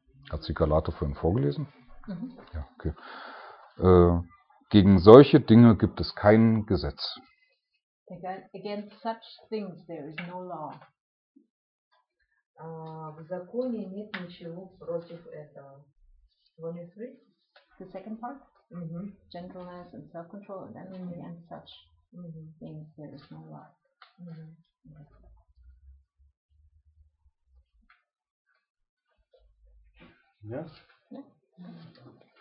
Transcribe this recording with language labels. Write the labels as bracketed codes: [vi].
[de] Hat sie Galater vorhin vorgelesen? Mhm. Ja, okay. Gegen solche Dinge gibt es kein Gesetz. [en] Against such things there is no law. [ru] В законе нет ничего против этого. [en] 23. The second part. Mm-hmm. Gentleness and self-control, and then mm-hmm. against such mm-hmm. things there is no law. Mm-hmm. Okay. Yes.